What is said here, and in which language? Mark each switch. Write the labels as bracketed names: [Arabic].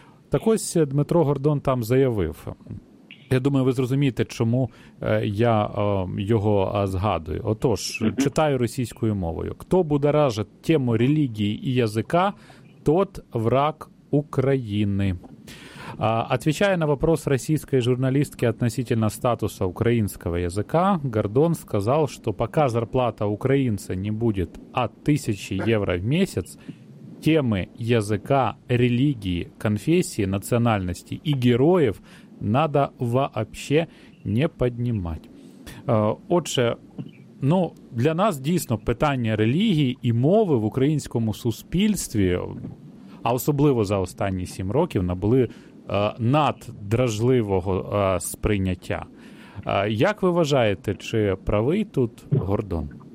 [Ukrainian] Так ось Дмитро Гордон там заявив. Я думаю, ви зрозумієте, чому я його згадую. Отож, читаю російською мовою. [Russian] «Хто будоражить тему релігії і язика, тот враг України». Отвечая на вопрос российской журналистки относительно статуса украинского языка, Гордон сказал, что пока зарплата украинца не будет от 1000 евро в месяц, темы языка, религии, конфессии, национальности и героев надо вообще не поднимать. [Ukrainian] Отче, ну, для нас дійсно питання релігії і мови в українському суспільстві, а особливо за останні 7 років, набули наддражливого сприйняття. Як ви вважаєте, чи правий тут Гордон?